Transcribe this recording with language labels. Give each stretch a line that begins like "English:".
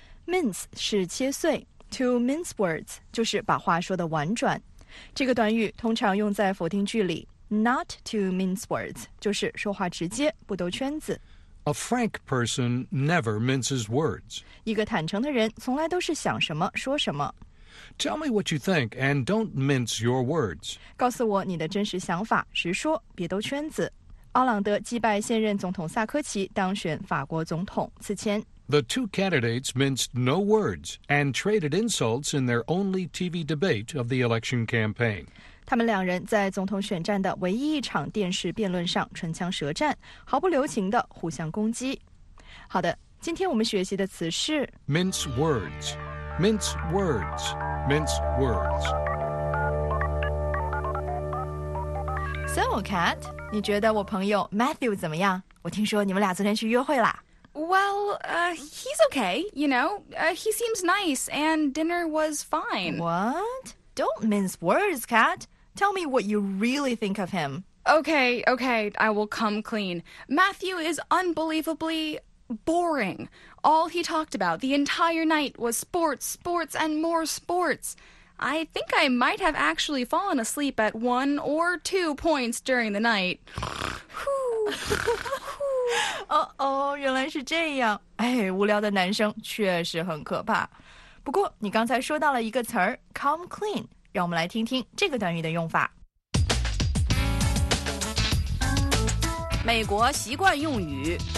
Chinese: Mince 是切碎，
English: To mince words
Chinese: 就是把话说得婉转。这个短语通常用在否定句里，
English: Not to mince words
Chinese: 就是说话直接，不兜圈子。
English: A frank person never minces words.
Chinese: 一个坦诚的人从来都是想什么说什么。
English: Tell me what you think and don't mince your words.
Chinese: 告诉我你的真实想法，直说，别兜圈子。奥朗德击败现任总统萨科齐，当选法国总统。此前
English: The two candidates minced no words and traded insults in their only TV debate of the election campaign.
Chinese: 他们两人在总统选战的唯一一场电视辩论上唇枪舌战，毫不留情地互相攻击。好的，今天我们学习的词是
English: mince words, mince words, mince words.
Chinese: So, Kat, 你觉得我朋友 Matthew 怎么样？我听说你们俩昨天去约会啦。
English: Well, he's okay, you know. He seems nice, and dinner was fine. What? Don't mince words, Kat. Tell me what you really think of him. Okay, okay, I will come clean. Matthew is unbelievably boring. All he talked about the entire night was sports, sports, and more sports. I think I might have actually fallen asleep at one or two points during the night.
Chinese: Oh, 原来是这样。哎，无聊的男生确实很可怕。不过你刚才说到了一个词儿 come clean， 让我们来听听这个短语的用法。美国习惯用语